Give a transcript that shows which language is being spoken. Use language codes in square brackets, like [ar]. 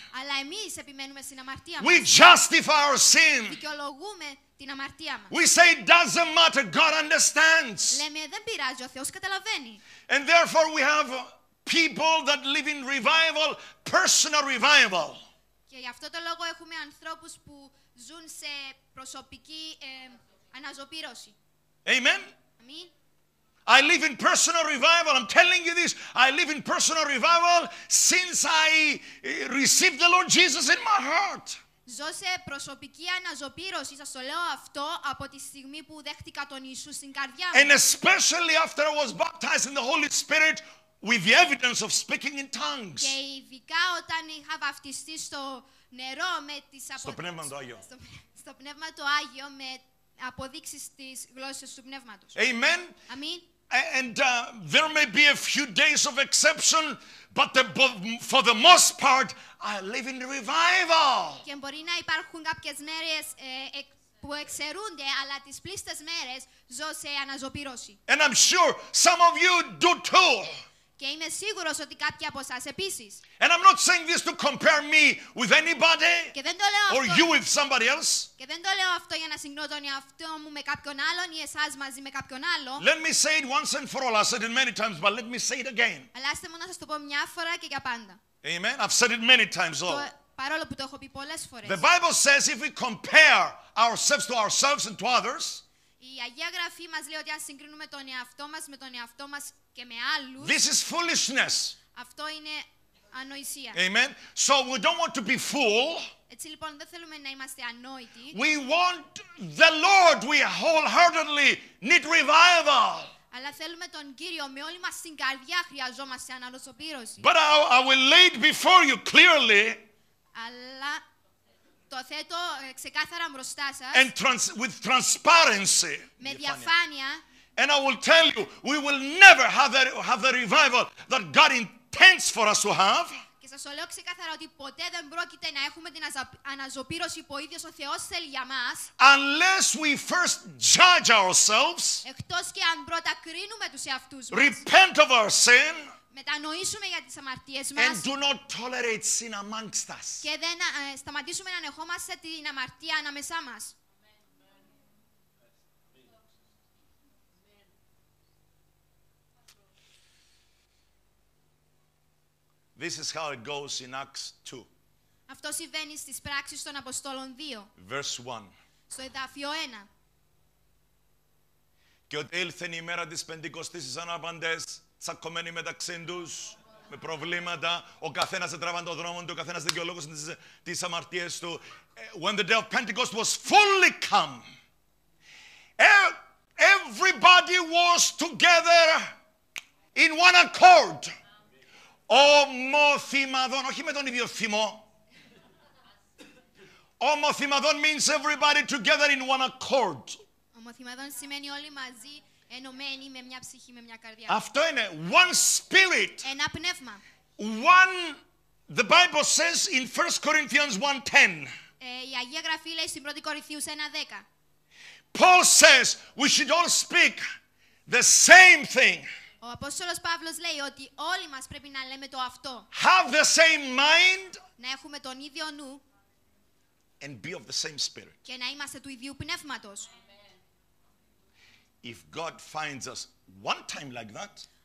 [el] Αλλά εμείς επιμένουμε στην αμαρτία μας. [en] We justify our sin. [el] Δικαιολογούμε την αμαρτία μας. [en] We say it doesn't matter. God understands. [el] Λέμε δεν πειράζει, ο Θεός καταλαβαίνει. [en] And therefore we have people that live in revival, personal revival. [el] Και γι' αυτό το λόγο έχουμε ανθρώπους που ζουν σε προσωπική αναζωπήρωση. [en] Amen. [el] Αμήν. [en] I live in personal revival. I'm telling you this. I live in personal revival since I received the Lord Jesus in my heart. [el] Ζω σε προσωπική αναζωπήρωση, σας το λέω αυτό, από τη στιγμή που δέχτηκα τον Ιησού στην καρδιά μου. [en] And especially after I was baptized in the Holy Spirit with the evidence of speaking in tongues. [el] Και ειδικά όταν είχα βαφτιστεί στο νερό με τις στο πνεύμα το Άγιο με αποδείξεις της γλώσσας του πνεύματος. [en] Amen. [el] Αμήν. [en] And there may be a few days of exception, but for the most part, I live in revival. [el] Και μπορεί να υπάρχουν κάποιες μέρες που εξαιρούνται, αλλά τις πλήστες μέρες ζω σε αναζωπήρωση. [en] And I'm sure some of you do too. [el] Και είμαι σίγουρος ότι κάποιοι από εσάς επίσης. [en] And I'm not saying this to compare me with anybody. [el] Και δεν το λέω αυτό. [en] Or you with somebody else. [el] Και δεν το λέω αυτό για να συγκρίνω τον εαυτό μου με κάποιον άλλον ή εσάς μαζί με κάποιον άλλον. [en] Let me say it once and for all. I said it many times, but let me say it again. [el] Αλλά άστε μου να σας το πω μια φορά και για πάντα. [en] Amen. I've said it many times though. [el] Παρόλο που το έχω πει πολλές φορές. [en] The Bible says if we compare ourselves to ourselves and to others. [el] Η Αγία Γραφή μας λέει ότι αν συγκρίνουμε τον εαυτό μας με τον εαυτό μας και με άλλους. [en] This is foolishness. [el] Αυτό είναι ανοησία. [en] Amen. So we don't want to be fool. [el] Έτσι λοιπόν δεν θέλουμε να είμαστε ανόητοι. [en] We want the Lord. We wholeheartedly need revival. [el] Αλλά θέλουμε τον Κύριο με όλη μας την καρδιά χρειαζόμαστε αναλωσοπήρωση. [en] But I will lay it before you clearly. [el] Αλλά το θέτω ξεκάθαρα μπροστά σας. [en] And with transparency. [el] Με διαφάνεια. [en] And I will tell you, we will never have the revival that God intends for us to have. [el] Και σας το λέω ξεκάθαρα ότι ποτέ δεν πρόκειται να έχουμε την αναζωπήρωση που ο ίδιος ο Θεός θέλει για μας. [en] Unless we first judge ourselves. [el] Εκτός και αν πρώτα κρίνουμε τους εαυτούς μας. [en] Repent of our sin. [el] Μετανοήσουμε για τις αμαρτίες μας. [en] And do not tolerate sin amongst us. [el] Και δεν σταματήσουμε να ανεχόμαστε την αμαρτία ανάμεσά μας. [en] This is how it goes in Acts 2. [el] Αυτό συμβαίνει στις πράξεις των Αποστόλων 2. [en] Verse 1. [el] Στο εδάφιο 1. Και ότι ήλθε η μέρα της Πεντηκοστής στις ανάπαντες, τσακωμένοι μεταξύ τους, με προβλήματα, ο καθένας έτραβαν τον δρόμο του, ο καθένας δικαιολόγησε τις αμαρτίες του. [en] When the day of Pentecost was fully come, everybody was together in one accord. [el] Ομοθυμαδών, όχι με τον ίδιο θυμό. [en] Ομοθυμαδών means everybody together in one accord. [el] Ομοθυμαδών σημαίνει όλοι μαζί. Ενωμένοι με μια ψυχή, με μια καρδιά. Αυτό είναι. [en] One spirit. [el] Ένα πνεύμα. [en] One, the Bible says in 1 Corinthians 1:10. [el] Η Αγία Γραφή λέει στην 1 Κορινθίους 1:10. [en] Paul says we should all speak the same thing. [el] Ο Απόστολος Παύλος λέει ότι όλοι μας πρέπει να λέμε το αυτό. [en] Have the same mind. [el] Να έχουμε τον ίδιο νου. [en] And be of the same spirit. [el] Και να είμαστε του ίδιου πνεύματος. [en] If God finds us one time like that,